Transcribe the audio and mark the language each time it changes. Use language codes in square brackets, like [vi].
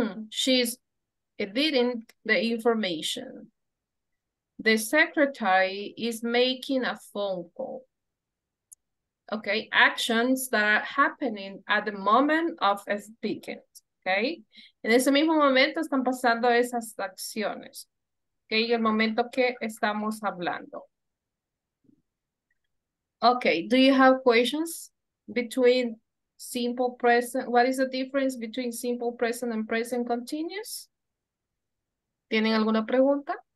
[en] She's editing the information. The secretary is making a phone call. Okay, actions that are happening at the moment of speaking, okay? [es] En ese mismo momento están pasando esas acciones, okay? El momento que estamos hablando. [en] Okay, do you have questions between simple present? What is the difference between simple present and present continuous? [es] ¿Tienen alguna pregunta?